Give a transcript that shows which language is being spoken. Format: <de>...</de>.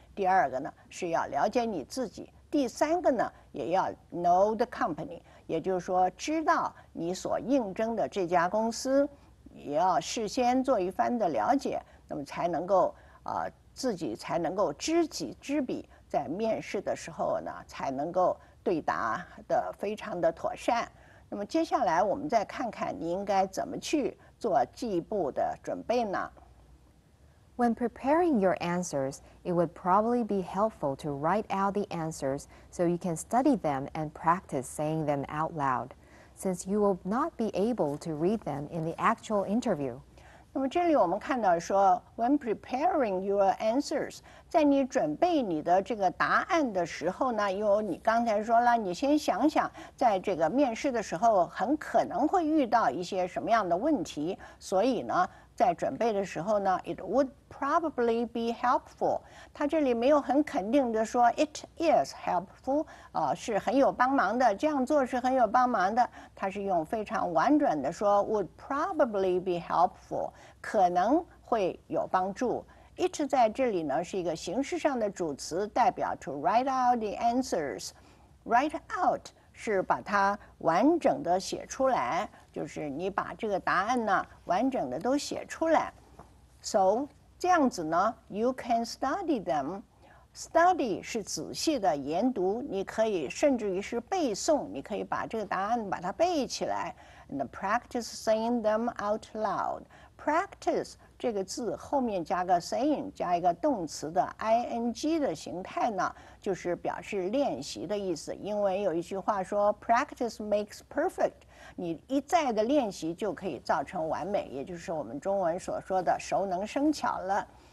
<zh>第二个呢，是要了解你自己。第三个呢，也要</zh> <en>know the company，</en> <zh>也就是说知道你所应征的这家公司，也要事先做一番的了解，那么才能够自己才能够知己知彼，在面试的时候呢，才能够对答得非常的妥善。那么接下来我们再看看你应该怎么去做进一步的准备呢？</zh> <en>When preparing your answers, it would probably be helpful to write out the answers so you can study them and practice saying them out loud, since you will not be able to read them in the actual interview.</en> <zh>那么这里我们看到说</zh> <en>when preparing your answers,</en> <zh>在你准备你的这个答案的时候呢，因为你刚才说了，你先想想在这个面试的时候很可能会遇到一些什么样的问题，所以呢在准备的时候呢</zh> <en>it would probably be helpful.</en> <zh>他这里没有很肯定的说</zh> <en>it is helpful,</en> <zh>是很有帮忙的，这样做是很有帮忙的。他是用非常婉转的说</zh> <en>would probably be helpful,</en> <zh>可能会有帮助。 It 在这里呢是一个形式上的主词，代表</zh> <en>to write out the answers. Write out</en> <zh>是把它完整的写出来，就是你把这个答案呢完整的都写出来。</zh> <en>So,</en> <zh>这样子呢</zh> <en>you can study them.</en> <zh>Study 是仔细的研读，你可以甚至于是背诵，你可以把这个答案把它背起来。</zh> <en>And practice saying them out loud.</en> <zh>Practice 这个字后面加个 saying, 加一个动词的 ing 的形态呢，就是表示练习的意思。因为有一句话说</zh> <en>practice makes perfect.</en> <zh>你一再的练习就可以造成完美，也就是我们中文所说的熟能生巧了。</zh>